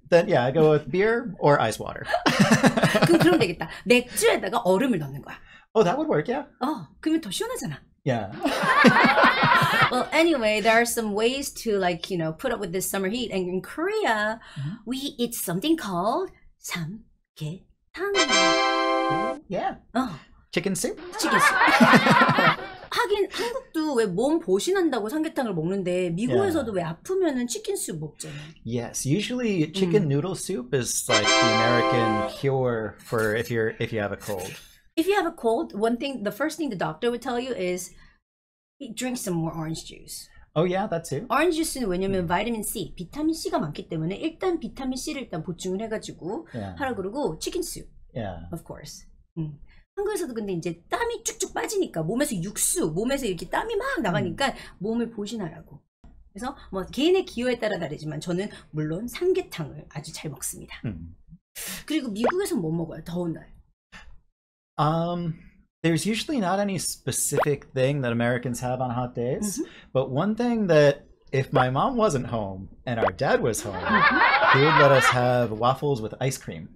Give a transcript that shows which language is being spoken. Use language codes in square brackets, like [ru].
[en] Then yeah, I go with beer or ice water. [ko] 그럼 되겠다. 맥주에다가 얼음을 넣는 거야. [en] Oh, that would work, yeah. [ko] 그러면 더 시원하잖아. [en] Well, anyway, there are some ways to, like, you know, put up with this summer heat. And in Korea, we eat something called 삼계탕. Chicken soup? Chicken soup. [ko] 하긴 한국도 왜 몸 보신한다고 삼계탕을 먹는데 미국에서도 왜 아프면은 치킨 수 먹잖아요. [en] Yes, usually chicken noodle soup is like the American cure for if you have a cold. If you have a cold, one thing, the first thing the doctor would tell you is drink some more orange juice. Oh yeah, that too. [ko] Orange juice는 왜냐면 비타민 C, 비타민 C가 많기 때문에 일단 비타민 C를 일단 보충을 해가지고 하라 그러고 치킨 수. [en] Yeah. Of course. [ko] 한국에서도 근데 이제 땀이 쭉쭉 빠지니까 몸에서 육수, 몸에서 이렇게 땀이 막 나가니까 몸을 보신하라고. 그래서 뭐 개인의 기호에 따라 다르지만 저는 물론 삼계탕을 아주 잘 먹습니다. 그리고 미국에서 뭐 먹어요? 더운 날. [en] There's usually not any specific thing that Americans have on hot days, but one thing that if my mom wasn't home and our dad was home, he would let us have waffles with ice cream.